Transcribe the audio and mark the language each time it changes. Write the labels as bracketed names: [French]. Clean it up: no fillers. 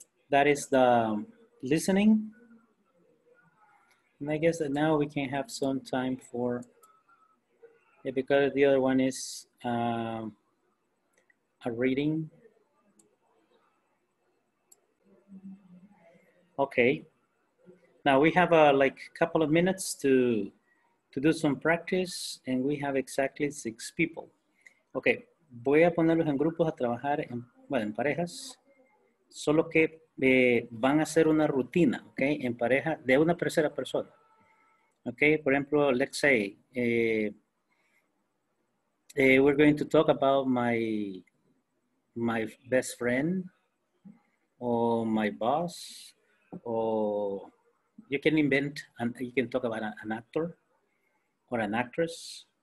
[English] That is the listening. And I guess that now we can have some time for, yeah, because the other one is a reading. Okay. Now we have a like couple of minutes to do some practice, and we have exactly 6 people. [Spanish] Okay, voy a ponerlos en grupos a trabajar en, bueno, en parejas, solo que van a hacer una rutina, okay, en pareja de una tercera persona. [English] Okay, for example, let's say we're going to talk about my best friend or my boss, or you can invent and you can talk about an actor or an actress.